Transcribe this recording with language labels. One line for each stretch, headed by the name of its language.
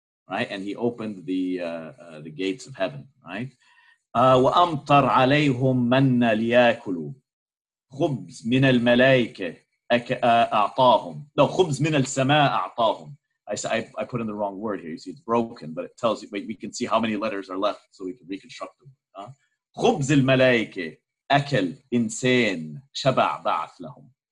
English: Right, and he opened the gates of heaven. Right.
Arabic: Wa amtar alayhum manna liyakulu. خبز من الملائكة أعطاهم.
English: No,
Arabic: خبز من السماء أعطاهم.
English: I put in the wrong word here. You see, it's broken, but it tells you, we can see how many letters are left so we can reconstruct them.
Arabic: خبز الملائكة أكل إنسان شبع بعث لهم.